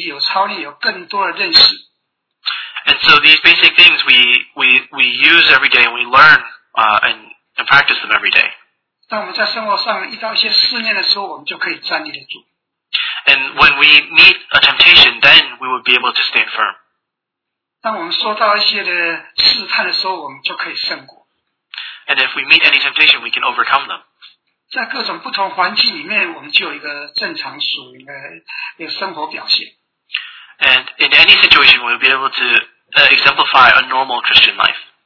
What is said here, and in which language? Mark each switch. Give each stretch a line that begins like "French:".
Chinese: 不是我们在平常里面把这些基本的东西在那有学习、有操练、有更多的认识。
English: And so these basic things we use every day and we learn and practice them every day.
Chinese: 当我们在生活上遇到一些试炼的时候，我们就可以站立得住。
English: And when we meet a temptation, then we will be able to stand firm. And if we meet any temptation, we can overcome them. And in any situation, we'll be able to exemplify a normal Christian life.